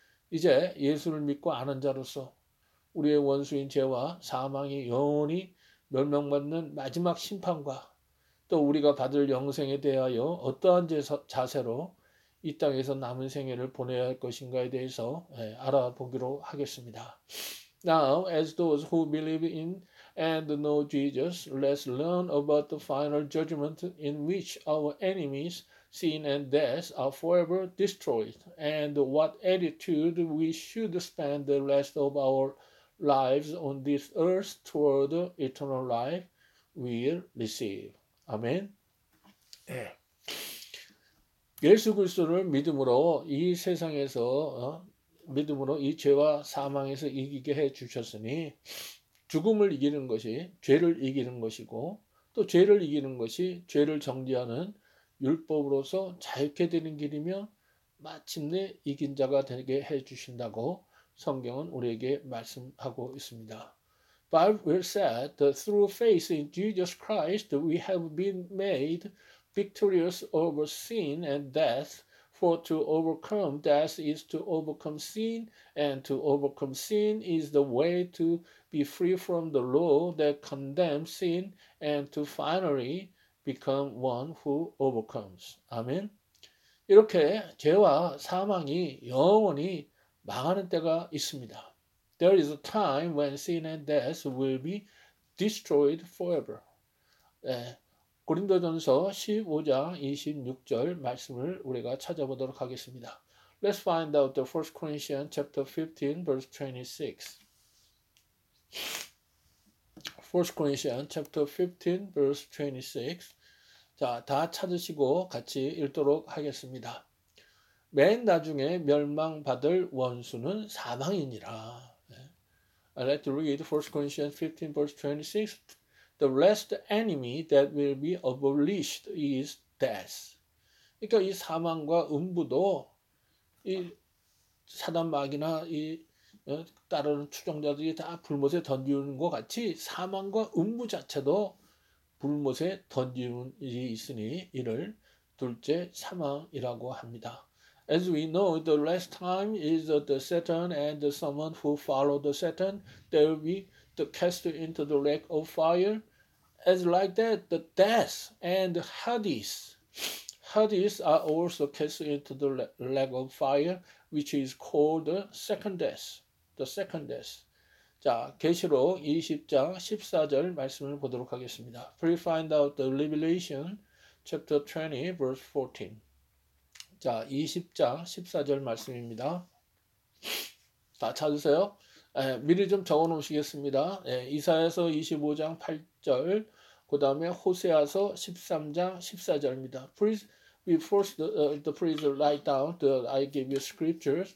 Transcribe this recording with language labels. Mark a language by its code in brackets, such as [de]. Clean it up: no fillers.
[ko] 이제 예수를 믿고 아는 자로서 우리의 원수인 죄와 사망이 영원히 멸망받는 마지막 심판과 또 우리가 받을 영생에 대하여 어떠한 자세로 이 땅에서 남은 생애를 보내야 할 것인가에 대해서 알아보기로 하겠습니다. [en] Now, as those who believe in and know Jesus, let's learn about the final judgment in which our enemies, sin and death are forever destroyed, and what attitude we should spend the rest of our lives on this earth toward eternal life we'll receive. [ko] 아멘. 네. 예수 그리스도를 믿음으로 이 세상에서 믿음으로 이 죄와 사망에서 이기게 해 주셨으니 죽음을 이기는 것이 죄를 이기는 것이고 또 죄를 이기는 것이 죄를 정죄하는 율법으로서 자유케 되는 길이며 마침내 이긴 자가 되게 해 주신다고 성경은 우리에게 말씀하고 있습니다. [en] Bible said that through faith in Jesus Christ we have been made victorious over sin and death, for to overcome death is to overcome sin, and to overcome sin is the way to be free from the law that condemns sin and to finally become one who overcomes. Amen. [ko] 이렇게 죄와 사망이 영원히 망하는 때가 있습니다. [en] There is a time when sin and death will be destroyed forever. [ko] 네, 고린도전서 15장 26절 말씀을 우리가 찾아보도록 하겠습니다. [en] Let's find out the 1 Corinthians chapter 15 verse 26. 1 Corinthians chapter 15 verse 26. [ko] 자, 다 찾으시고 같이 읽도록 하겠습니다. 맨 나중에 멸망받을 원수는 사망이니라. [en] I'd like to read 1 Corinthians 15 verse 26. The last enemy that will be abolished is death. [ko] 그러니까 이 사망과 음부도 이 사단 마귀나 이 따르는 추종자들이 다 불못에 던지는 것 같이 사망과 음부 자체도 불못에 던지는 일이 있으니 이를 둘째 사망이라고 합니다. [en] As we know, the last time is the Satan and the someone who follow the Satan, they will be the cast into the lake of fire. As like that, the death and Hades, Hades are also cast into the lake of fire, which is called the second death. The second death. [ko] 자, 계시록 20장 14절 말씀을 보도록 하겠습니다. [en] Please find out the Revelation chapter 20 verse 14. [ko] 자, 20장 14절 말씀입니다. 다 찾으세요. 예, 미리 좀 적어 놓으시겠습니다. 예, 이사야서 25장 8절, 그 다음에 호세아서 13장 14절입니다. [en] Please be forced to please write down the I give you scriptures.